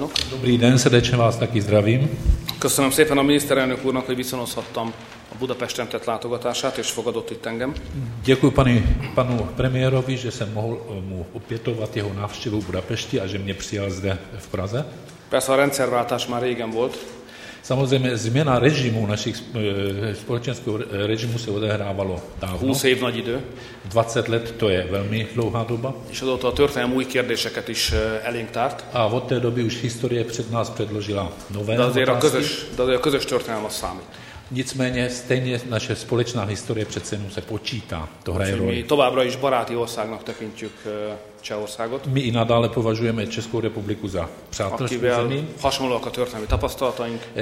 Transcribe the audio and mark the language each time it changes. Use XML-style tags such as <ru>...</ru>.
<cs>Dobrý den, srdečně vás taky zdravím.</cs> <hu>Köszönöm szépen a miniszterelnök úrnak, hogy viszonozhattam a Budapesten tett látogatását, és fogadott itt engem.</hu> <cs>Děkuji panu premiérovi, že jsem mohl mu opětovat jeho návštěvu v Budapešti a že mě přijal zde v Praze.</cs> <hu>Persze a rendszerváltás már régen volt.</hu> <cs>Samozřejmě změna režimu našich společenského režimu se odehrávalo dávno.</cs> <hu>20 év nagy idő.</hu> <cs>20 let, to je velmi dlouhá doba.</cs> <hu>És azóta a történelem új kérdéseket is elénk tárt.</hu> <cs>A od té doby už historie před nás předložila nové otázky.</cs> <hu>De azért a közös történelem az számít.</hu> <cs>Nicméně stejně naše společná historie přece jenom se počítá. To hraje roli.</cs> <hu>My továbbra is baráti országnak tekintjük Csehországot.</hu> <cs>My i nadále považujeme Českou republiku za přátelskou zemi.</cs> <hu>Hasonlóak a történelmi tapasztalataink.</hu>